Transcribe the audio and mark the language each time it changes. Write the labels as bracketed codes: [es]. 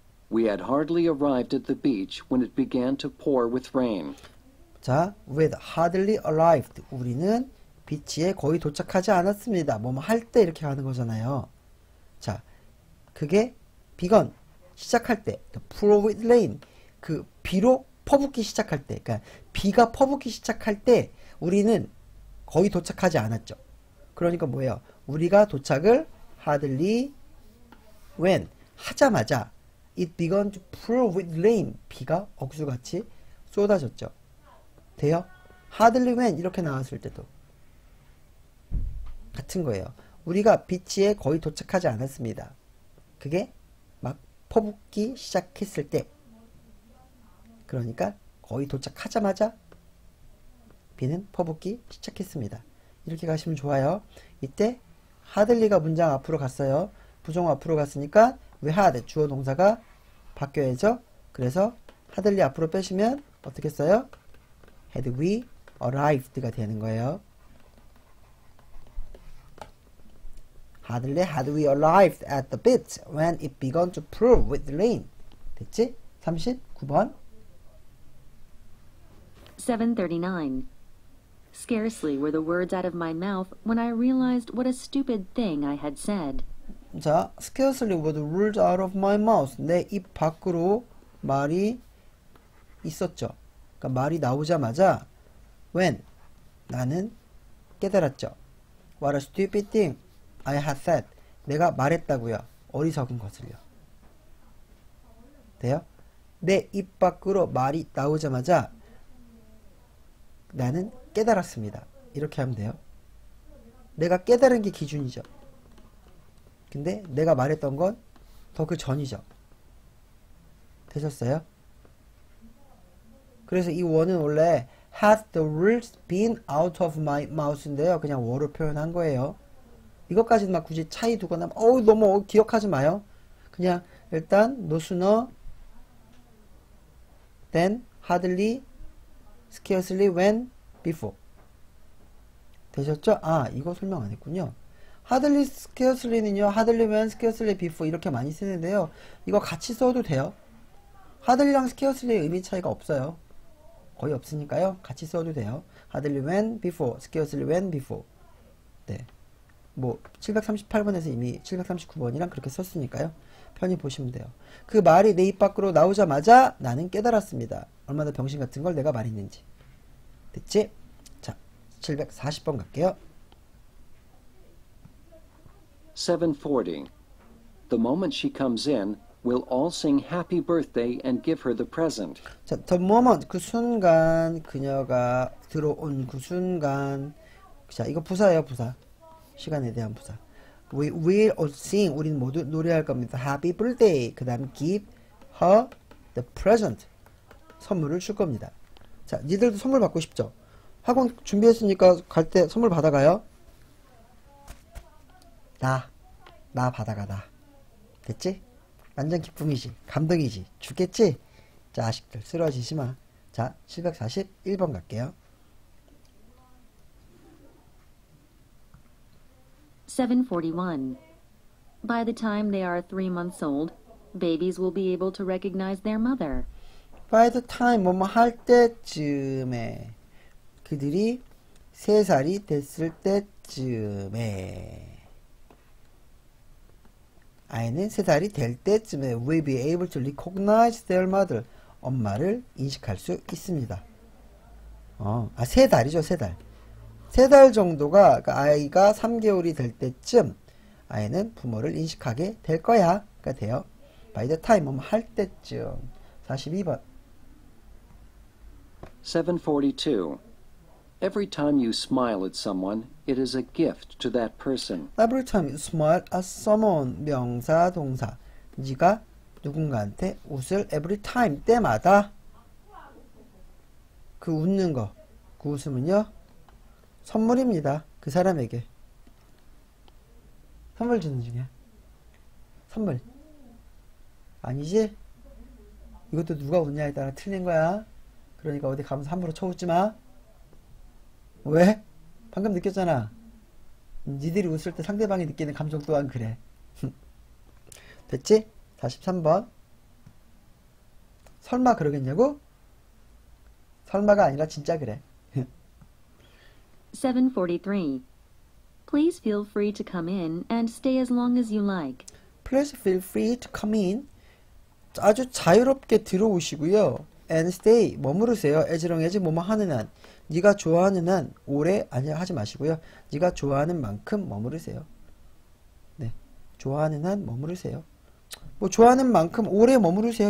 [en] We had hardly arrived at the beach when it began to pour with rain." 자, with hardly arrived. [ko] 우리는 비치에 거의 도착하지 않았습니다. 뭐뭐할때 이렇게 하는 거잖아요. 자, 그게 비건 시작할 때, [en] the pour with rain, [ko] 그 비로 퍼붓기 시작할 때, 그러니까 비가 퍼붓기 시작할 때 우리는 거의 도착하지 않았죠. 그러니까 뭐예요? 우리가 도착을 [en] hardly when [ko] 하자마자 [en] it began to pour with rain. [ko] 비가 억수같이 쏟아졌죠. 돼요? hardly when 이렇게 나왔을 때도. 같은 거예요. 우리가 비치에 거의 도착하지 않았습니다. 그게 막 퍼붓기 시작했을 때. 그러니까 거의 도착하자마자 비는 퍼붓기 시작했습니다. 이렇게 가시면 좋아요. 이때 하들리가 문장 앞으로 갔어요. 부정 앞으로 갔으니까 [en] we had [ko] 주어 동사가 바뀌어야죠. 그래서 하들리 앞으로 빼시면 어떻게 써요? [en] had we arrived [ko] 가 되는 거예요. [en] Hardly had we arrived at the beach when it began to pour with rain. [ko] 됐지? 39번. 739. [en] Scarcely were the words out of my mouth when I realized what a stupid thing I had said. 자, scarcely were the words out of my mouth. [ko] 내입 밖으로 말이 있었죠. 그러니까 말이 나오자마자 when 나는 깨달았죠. [en] What a stupid thing I had said. [ko] 내가 말했다고요. 어리석은 것을요. 돼요? 내입 밖으로 말이 나오자마자 나는 깨달았습니다. 이렇게 하면 돼요. 내가 깨달은 게 기준이죠. 근데 내가 말했던 건더그 전이죠. 되셨어요? 그래서 이 원은 원래 [en] has the words been out of my mouth인데요. [ko] 그냥 워로 표현한 거예요. 이것까지는 막 굳이 차이 두고 나면 어우 너무 기억하지 마요. 그냥 일단 [en] no sooner than hardly scarcely when before. [ko] 되셨죠? 아, 이거 설명 안 했군요. [en] hardly scarcely는요. hardly when scarcely before [ko] 이렇게 많이 쓰는데요. 이거 같이 써도 돼요. hardly랑 scarcely의 의미 차이가 없어요. 거의 없으니까요. 같이 써도 돼요. [en] hardly when before, scarcely when before. [ko] 네. 뭐 738번에서 이미 739번이랑 그렇게 썼으니까요. 편히 보시면 돼요. 그 말이 내입 밖으로 나오자마자 나는 깨달았습니다. 얼마나 병신 같은 걸 내가 말했는지. 됐지? 자, 740번 갈게요. 740. [en] The moment she comes in, we'll all sing happy birthday and give her the present. [ko] 자, [en] the moment, [ko] 그 순간, 그녀가 들어온 그 순간. 자, 이거 부사예요, 부사. 시간에 대한 부사. [en] We will all sing, [ko] 우리는 모두 노래할 겁니다. [en] Happy birthday. [ko] 그 다음, [en] give her the present. [ko] 선물을 줄 겁니다. 자, 니들도 선물 받고 싶죠? 학원 준비했으니까 갈때 선물 받아가요. 나 받아가, 나. 됐지? 완전 기쁨이지. 감동이지. 죽겠지? 자, 아식들, 쓰러지지 마. 자, 741번 갈게요. 741. [en] By the time they are 3 months old, babies will be able to recognize their mother. [ko] By the time, 뭐뭐 할 때쯤에. 그들이 3살이 됐을 때쯤에. 아이는 3살이 될 때쯤에 [en] will be able to recognize their mother. [ko] 엄마를 인식할 수 있습니다. 3달이죠, 3달. 3달 정도가, 그러니까 아이가 3개월이 될 때쯤, 아이는 부모를 인식하게 될 거야. 그러니까 돼요. [en] By the time, [ko] 뭐할 때쯤. 42번. 742. [en] Every time you smile at someone, it is a gift to that person. Every time you smile at someone, [ko] 명사, 동사. 네가 누군가한테 웃을 every time, 때마다. 그 웃는 거, 그 웃음은요, 선물입니다. 그 사람에게. 선물 주는 중이야. 선물. 아니지? 이것도 누가 웃냐에 따라 틀린 거야. 그러니까 어디 가면서 함부로 쳐웃지 마. 왜? 방금 느꼈잖아. 니들이 웃을 때 상대방이 느끼는 감정 또한 그래. 됐지? 43번. 설마 그러겠냐고? 설마가 아니라 진� 그래. 743. [en] Please feel free to come in and stay as long as you like. Please feel free to come in. [ko] 아주 자유롭게 들어오시고요. [en] And stay. [ko] 머무르세요. As long as 뭐뭐 하는 한. 네가 좋아하는 한 오래 아니 하지 마시고요. 네가 좋아하는 만큼 머무르세요. 네. 좋아하는 한 머무르세요. 뭐 좋아하는 만큼 오래 머무르세요.